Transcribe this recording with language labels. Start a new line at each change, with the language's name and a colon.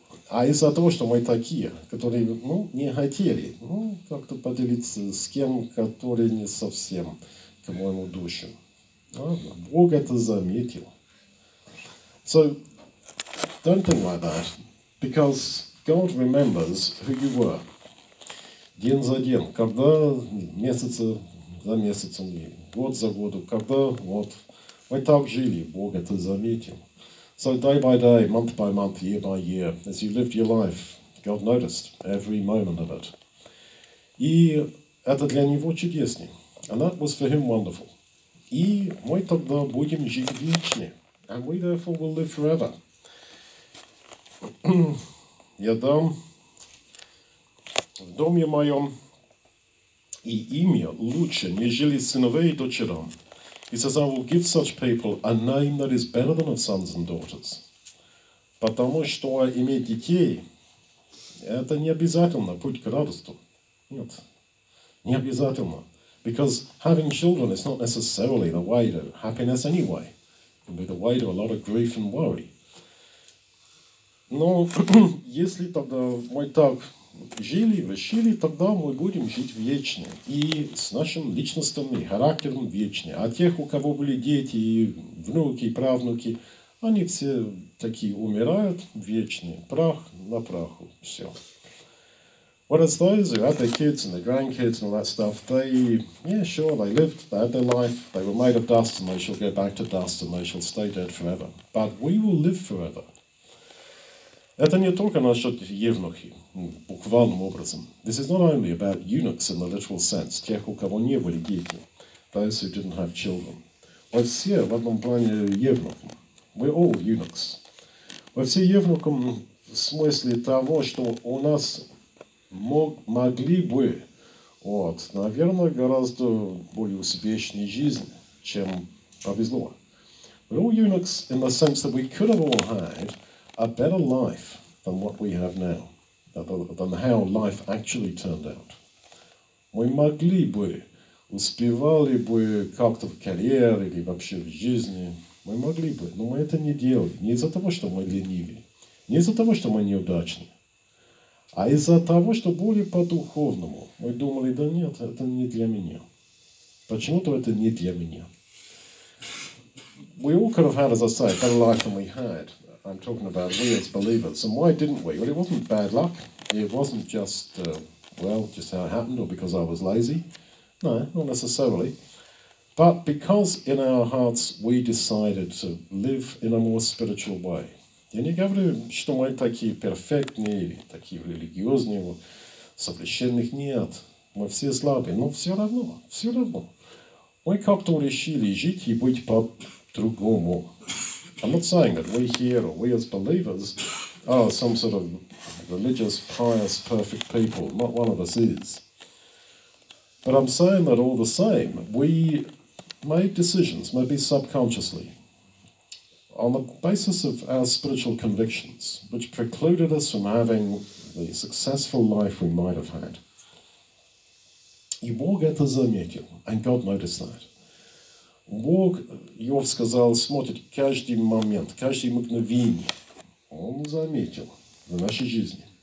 Russian: А из-за того, что мы такие, которые, ну, не хотели, ну, как-то поделиться с кем, который не совсем к моему душу. А, Бог это заметил.
English: So, don't think like that, because God remembers who you were.
Russian: День за день, когда месяц за месяцем, год за годом, когда вот мы так жили, Бог это заметил.
English: So day by day, month by month, year by year, as you lived your life, God noticed every moment of it.
Russian: И это для него чудесно.
English: And that was for him wonderful.
Russian: И мы тогда будем жить вечно.
English: And we therefore will live forever.
Russian: Я дам в доме моем и имя лучше, нежели сыновей и дочерам.
English: He says, I will give such people a name that is better than of sons and daughters.
Russian: Потому что иметь детей это не обязательно путь к радости. Нет. Не обязательно.
English: Because having children is not necessarily the way to happiness anyway. It can be the way to a lot of grief and worry.
Russian: Но если тогда мы так жили, решили, тогда мы будем жить вечно. И с нашим личностным характером вечно. А тех, у кого были дети, внуки, правнуки, они все такие умирают вечно. Прах на праху. Все.
English: Whereas those who had their kids and their grandkids and all that stuff, they, yeah, sure, they lived, they had their life, they were made of dust and they shall go back to dust and they shall stay dead forever. But we will live forever.
Russian: Это не только насчет евнухи, буквальным образом.
English: This is not only about eunuchs in the literal sense,
Russian: тех, у кого не были дети,
English: those who didn't have children.
Russian: Мы все в одном плане евнухи.
English: We're all eunuchs.
Russian: Мы все евнухи в смысле того, что у нас могли бы, вот, наверное, гораздо более успешной жизни, чем повезло.
English: We're all eunuchs in the sense that we could have all had a better life than what we have now, than how life actually turned out.
Russian: Мы могли бы, успевали бы как-то в карьере или вообще в жизни. Мы могли бы, но мы это не делали. Не из-за того, что мы ленивые, не из-за того, что мы неудачные, а из-за того, что более по-духовному. Мы думали, да нет, это не для меня. Почему-то это не для меня.
English: We all could have had, as I say, better life than we had. I'm talking about we as believers. And why didn't we? Well, it wasn't bad luck. It wasn't just, well, just how it happened, or because I was lazy. No, not necessarily. But because in our hearts we decided to live in a more spiritual way.
Russian: Я не говорю, что мы такие перфектные, такие религиозные, совершенных нет. Мы все слабые, но все равно, все равно. Мы как-то решили жить и быть по-другому.
English: I'm not saying that we here, or we as believers, are some sort of religious, pious, perfect people. Not one of us is. But I'm saying that all the same, we made decisions, maybe subconsciously, on the basis of our spiritual convictions, which precluded us from having the successful life we might have had.
Russian: И Бог это заметил,
English: and God noticed that.
Russian: Бог, Иов сказал, смотрит каждый момент, каждый мгновение. Он заметил в нашей жизни.